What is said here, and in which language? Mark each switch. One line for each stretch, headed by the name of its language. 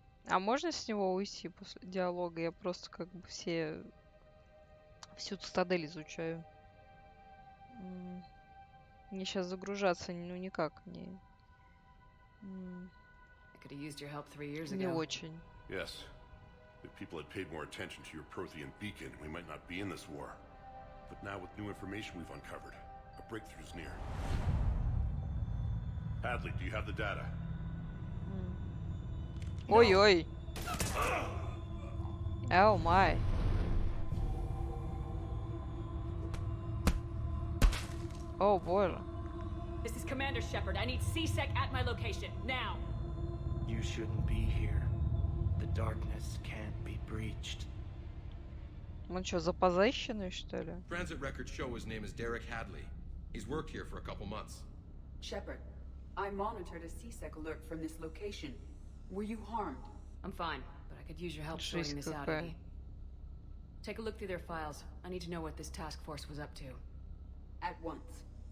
Russian: А можно с него уйти после диалога? Я просто как бы все... всю цитадель изучаю. Мне сейчас загружаться, ну, никак не...
English: I could have used your help 3 years ago.
Russian: Не очень.
English: Yes. If people had paid more attention to your Prothean beacon, we might not be in this war. But now, with new information we've uncovered, a breakthrough's near. Hadley, do you have the data?
Russian: Ой-ой!
English: Oh my! Oh boy. This is Commander Shepard. I need C-Sec at my location, now! You shouldn't be here. The darkness can't be breached.
Russian: Он что, запозащенный, что ли?
English: Transit records show his name is Derek Hadley. He's worked here for a couple months. Shepard, I monitored a C-Sec alert from this location. Were you harmed? I'm fine, but I could use your help sorting this out, Eddie. Take a look through their files. I need to know what this task force was up to. At once.